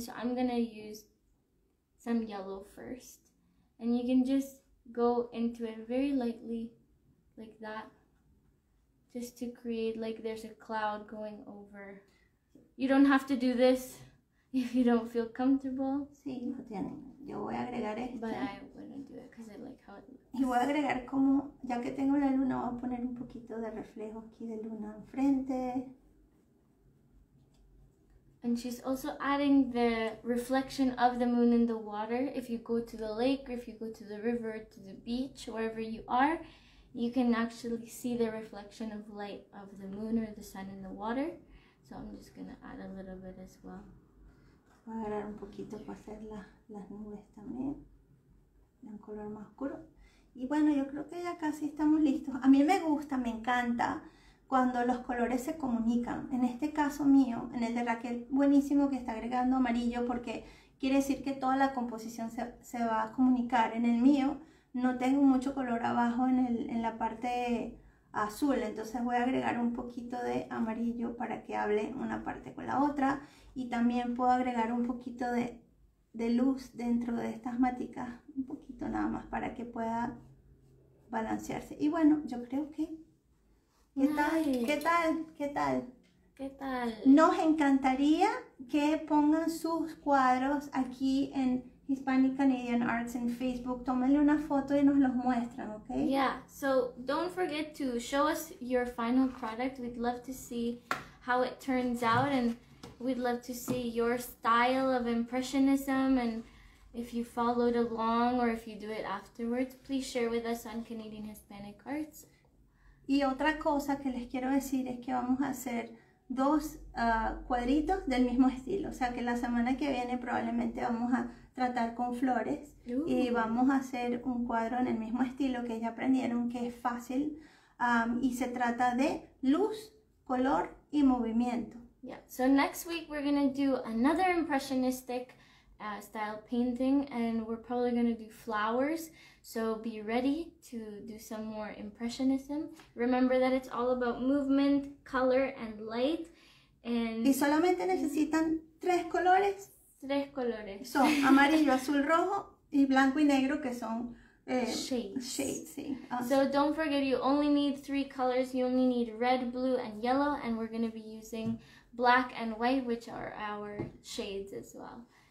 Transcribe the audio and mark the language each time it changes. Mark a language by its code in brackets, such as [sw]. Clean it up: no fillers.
[en] So I'm gonna use some yellow first, and you can just go into it very lightly, like that. Just to create, like, there's a cloud going over. You don't have to do this if you don't feel comfortable. [es] Sí, lo tienen. Yo voy a agregar este. [en] But I wouldn't do it because I like how it looks. [es] Y voy a agregar como, ya que tengo la luna, voy a poner un poquito de reflejo aquí de luna enfrente. [en] And she's also adding the reflection of the moon in the water. If you go to the lake, or if you go to the river, to the beach, wherever you are, you can actually see the reflection of light of the moon or the sun in the water. So I'm just going to add a little bit as well. [es] Voy a agarrar un poquito para hacer las nubes también. De un color más oscuro. Y bueno, yo creo que ya casi estamos listos. A mí me gusta, me encanta. cuando los colores se comunican. En este caso mío, en el de Raquel, buenísimo que está agregando amarillo porque quiere decir que toda la composición se va a comunicar. En el mío no tengo mucho color abajo en la parte azul, entonces voy a agregar un poquito de amarillo para que hable una parte con la otra, y también puedo agregar un poquito de luz dentro de estas maticas, un poquito nada más para que pueda balancearse. Y bueno, yo creo que ¿Qué tal? Nos encantaría que pongan sus cuadros aquí en Hispanic Canadian Arts en Facebook. Tómenle una foto y nos los muestran, ¿ok? [en] Yeah, so don't forget to show us your final product. We'd love to see how it turns out, and we'd love to see your style of impressionism, and if you followed along or if you do it afterwards, please share with us on Canadian Hispanic Arts. [es] Y otra cosa que les quiero decir es que vamos a hacer dos cuadritos del mismo estilo. O sea, que la semana que viene probablemente vamos a tratar con flores. Ooh. Y vamos a hacer un cuadro en el mismo estilo que ya aprendieron, que es fácil. Y se trata de luz, color y movimiento. [en] Yeah. So next week we're going to do another impressionistic style painting, and we're probably going to do flowers. So be ready to do some more impressionism. Remember that it's all about movement, color, and light. And [es] y solamente necesitan tres colores. Tres colores. Son amarillo, azul, rojo, y blanco y negro, que son [en] shades. [es] Sí. [en] So don't forget, you only need three colors. You only need red, blue, and yellow. And we're going to be using black and white, which are our shades as well.